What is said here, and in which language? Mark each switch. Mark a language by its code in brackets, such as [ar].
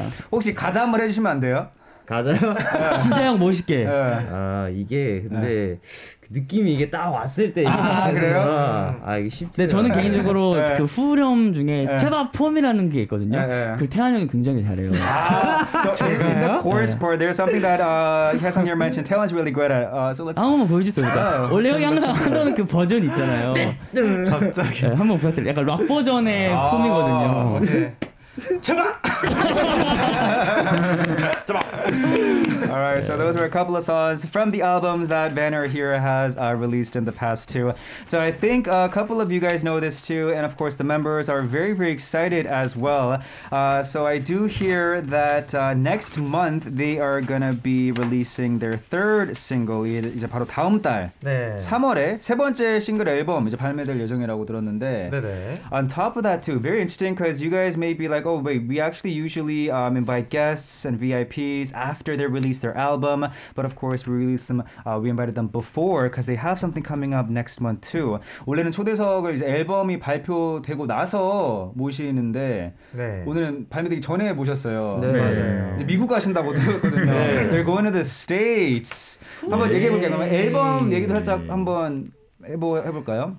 [ko] 혹시 가자 한번 해주시면 안 돼요? 가자요. 진짜 형 멋있게. 네. 아 이게 근데 네. 느낌이 이게 딱 왔을 때. 아 그래요? 아 이게 쉽지. 네 저는 개인적으로 네. 그 후렴 중에 네. 제발 폼이라는 게 있거든요. 네. 그 태환 형이 굉장히 잘해요. 아, [en] so in the chorus part, there's something that Hyesung here mentioned. Taehwan's really great at. So let's. [ko] 한번 보여주세요. 원래 형이 항상 하던 그 버전 있잖아요. 갑자기 네, 한번 보여드릴. 약간 락 버전의 아, 폼이거든요. 네. 제발. 제발. [en] All right, so those were a couple of songs from the albums that Banner here has released in the past too. So I think a couple of you guys know this too, and of course the members are very very excited as well. So I do hear that next month they are gonna be releasing their third single. [ko] 이제 바로 다음 달 네. 3월에 세 번째 싱글 앨범 이제 발매될 예정이라고 들었는데. 네네. [en] On top of that too, very interesting because you guys may be like, oh, wait, we actually usually invite guests and VIPs after they release their album, but of course we release them, we invited them before because they have something coming up next month too. [ko] 원래는 초대석을 이제 앨범이 발표되고 나서 모시는데 네. 오늘은 발매되기 전에 모셨어요. 네. 맞아요. 이제 미국 가신다고 들었거든요. [en] 네. They're going to the States. [ko] 한번 얘기해 볼게요. 그러면 앨범 얘기도 살짝 한번 해볼까요?